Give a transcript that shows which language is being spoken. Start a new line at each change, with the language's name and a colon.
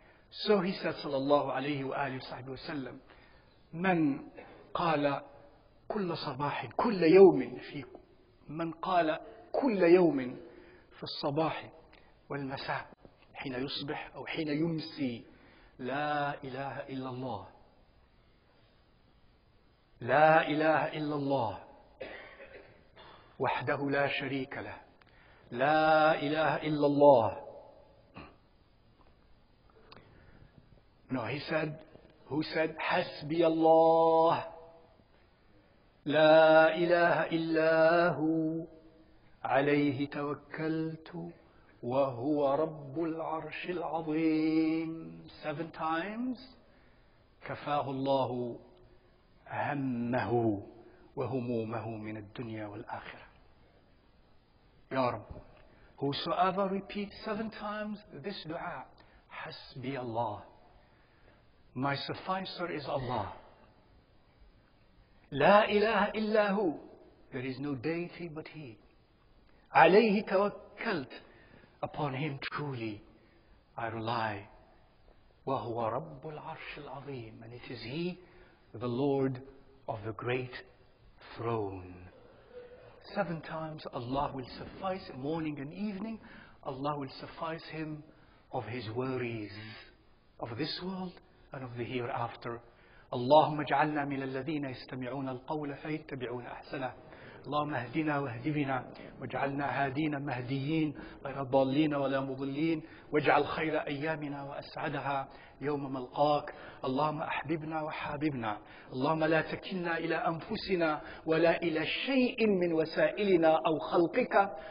English: So he said,
Arabic: sallallahu alayhi wa alihi wa sahbihi wa sallam, man qala kulla sabahin, kulla yawmin fi, man qala kulla yawmin fi al-sabahi wal masa, hina yusbih aw hina yumsi, la ilaha illallah, لا إله إلا الله وحده لا شريك له لا إله إلا الله.
English: No, he said, who said,
Arabic: حسبي الله لا إله إلا هو عليه توكلت وهو رب العرش العظيم.
English: 7 times
Arabic: كفاه الله همه وهمومه من الدنيا والآخرة.
English: Ya Rab, whosoever repeats 7 times this dua,
Arabic: حسبي الله,
English: my sufficer is Allah.
Arabic: لا إله إلا هو,
English: there is no deity but He.
Arabic: عليه توكلت,
English: upon Him truly I rely.
Arabic: وهو رب العرش العظيم,
English: and it is He, the Lord of the great throne. 7 times Allah will suffice, morning and evening, Allah will suffice him of his worries of this world and of the hereafter.
Arabic: اللهم اجعلنا من الذين يستمعون القول فيتبعون احسنه اللهم اهدنا واهدنا واجعلنا هادين مهديين غير ضالين ولا مضلين واجعل خير ايامنا واسعدها يوم ملقاك اللهم احببنا وحاببنا اللهم لا تكلنا الى انفسنا ولا الى شيء من وسائلنا او خلقك